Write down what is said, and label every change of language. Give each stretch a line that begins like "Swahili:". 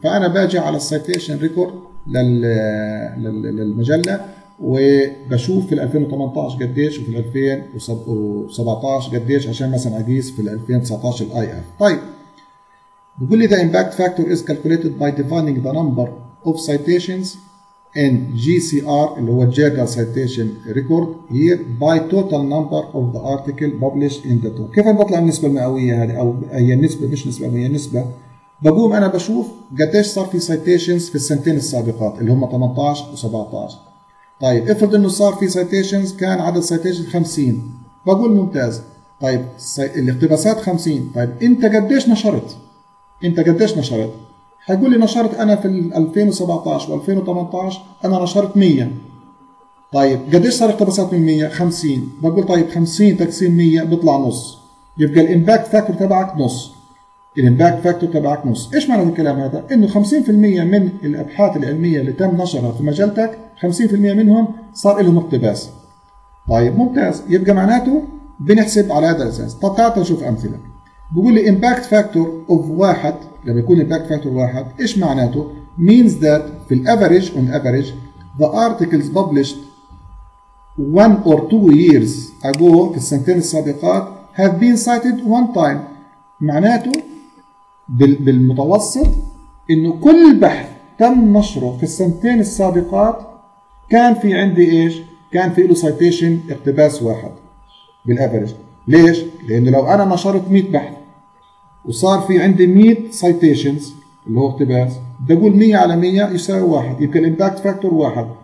Arabic: فأنا باجي على citation record للمجلة وبشوف في 2018 قديش وفي 2017 قديش عشان مثلا أقيس في 2019 الـ IF. طيب بقول لي
English: the impact factor is calculated by defining the number of citations in GCR
Arabic: اللي هو
English: Journal Citation Record here by total number of the article published in the total.
Arabic: كيف بطلع النسبة المئوية هذه؟ أو هي النسبة مش نسبة مئوية، نسبة. بقوم أنا بشوف قديش صار في citations في السنتين السابقات اللي هم 18 و17. طيب افرض أنه صار في citations، كان عدد citations 50، بقول ممتاز. طيب الاقتباسات 50، طيب أنت قديش نشرت؟ انت قديش نشرت؟ هيقول لي نشرت انا في 2017 و2018 انا نشرت 100. طيب قديش صار اقتباسات من 100؟ 50. بقول طيب 50 تقسيم 100 بيطلع نص، يبقى الامباكت فاكتور تبعك نص. الامباكت فاكتور تبعك نص، ايش معنى الكلام هذا؟ انه 50% من الابحاث العلميه اللي تم نشرها في مجلتك 50% منهم صار لهم اقتباس. طيب ممتاز، يبقى معناته بنحسب على هذا الاساس. طب تعال نشوف امثله. بيقول لي
English: impact factor of 1،
Arabic: لما يكون
English: impact factor 1
Arabic: ايش معناته؟
English: means that في average on average the articles published 1 or 2 years ago
Arabic: في السنتين السابقات
English: have been cited one time.
Arabic: معناته بالمتوسط انه كل بحث تم نشره في السنتين السابقات كان في عندي ايش؟ كان في له citation اقتباس واحد بالaverage. ليش؟ لانه لو انا نشرت 100 بحث وصار في عندي 100 citations اللي هو اقتباس، بقول 100 على 100 يساوي 1، يبقى الامباكت فاكتور 1.